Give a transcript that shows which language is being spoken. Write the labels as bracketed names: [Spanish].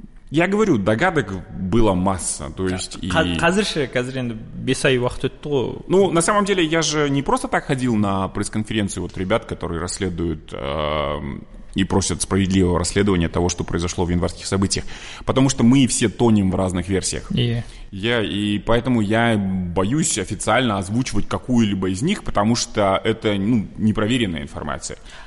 [Russian] Я говорю, догадок было масса, то есть [Kazakh] қазір енді 5 ай уақыт өтті ғой. [Russian] Ну, на самом деле, я же не просто так ходил на пресс-конференцию вот ребят, которые расследуют и просят справедливого расследования того, что произошло в январских событиях. Потому что мы все тонем в разных версиях. И поэтому я боюсь официально озвучивать какую-либо из них, потому что это, ну, непроверенная информация.